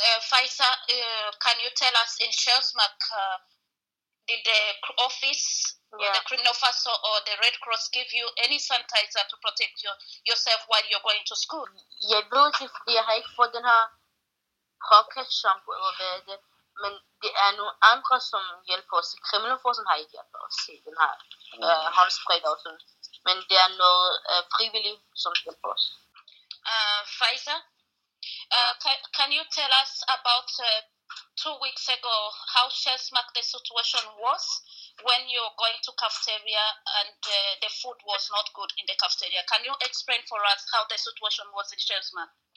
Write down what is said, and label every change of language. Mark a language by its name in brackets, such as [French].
[English] Faiza, can you tell us in Sjælsmark, did the office or the criminal force or the Red Cross give you any sanitizer to protect yourself while you're going to school? [Danish] Jeg ved ikke, fordi jeg har ikke fået den her [English] pocket shampoo [Danish] eller hvad det, men det er nogle andre, som hjælper os. Kriminalforsen har ikke hjælpet os i den her håndspray og sådan. Men det er noget frivilligt, som hjælper os. [English] Faiza, can you tell us about 2 weeks ago how Sjælsmark the situation was when you're going to cafeteria and the food was not good in the cafeteria? Can you explain for us how the situation was in Sjælsmark?